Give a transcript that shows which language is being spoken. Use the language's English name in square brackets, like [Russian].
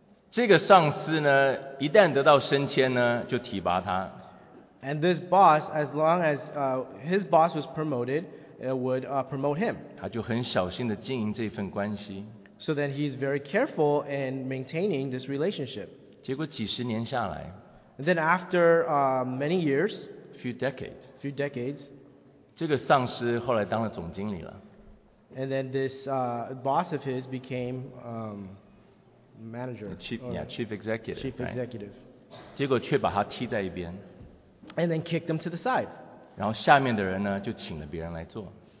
[Chinese] 这个上司呢，一旦得到升迁呢，就提拔他。 [English] And this boss, as long as his boss was promoted, it would promote him。 [Chinese] 他就很小心的经营这份关系。 [English] So then he's very careful in maintaining this relationship。 [Chinese] 结果几十年下来 [English] ，and then after many years, few decades。 Few decades。 [Chinese] 这个上司后来当了总经理了。 [English] And then this boss of his became manager. Chief executive. Chief executive. [Chinese] 结果却把他踢在一边, [English] and then kicked him to the side. [Chinese] 然后下面的人呢, 就请了别人来做。